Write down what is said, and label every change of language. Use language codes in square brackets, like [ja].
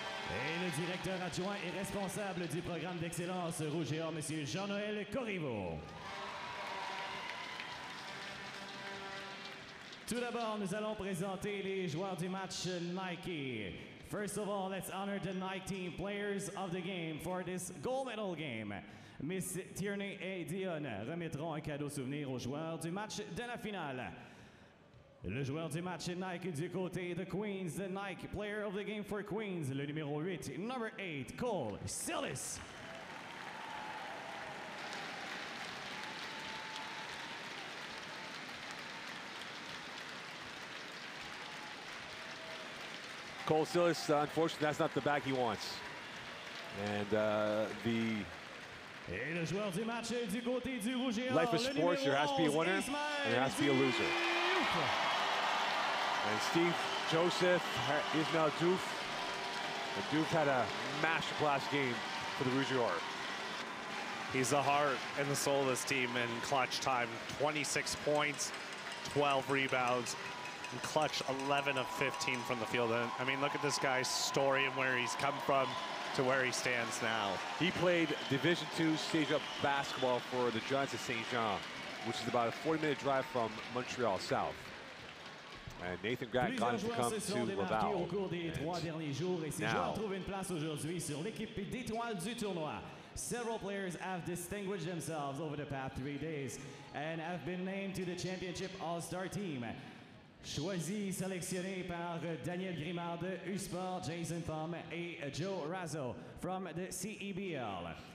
[fr] Et le directeur adjoint et responsable du programme d'excellence Rouge et Or, Monsieur Jean-Noël Corriveau. Tout d'abord, nous allons présenter les joueurs du match Nike. [en] First of all, let's honor the Nike team players of the game for this gold medal game. [fr] Miss Tierney et Dion remettront un cadeau souvenir aux joueurs du match de la finale. Le joueur du match Nike du côté de Queens, [en] the Nike player of the game for Queens, [fr] le numéro 8, [en] number 8, [fr] Cole Sillis. [en] Cole Sillis, unfortunately, that's not the bag he wants. And the... [fr] Et le joueur du match du côté du Rouge et Or, [en] life is sports, there has to be a winner, and there has to be a loser. And Steve Joseph, Ismail Diouf. And Diouf had a masterclass game for the Rouge et Or. He's the heart and the soul of this team in clutch time. 26 points, 12 rebounds. And clutch 11 of 15 from the field. And I mean, look at this guy's story and where he's come from to where he stands now. He played Division II stage up basketball for the Giants of St. John, which is about a 40-minute drive from Montreal South. And Nathan Grant got him to come to Laval. [fr] Au cours des trois derniers jours, et ces joueurs trouvent une place aujourd'hui sur l'équipe d'étoiles du tournoi. [en] Several players have distinguished themselves over the past 3 days and have been named to the championship all-star team. [fr] Choisi, sélectionné par Daniel Grimard de U-Sport, Jason Thumb et Joe Razzo [en] from the CEBL.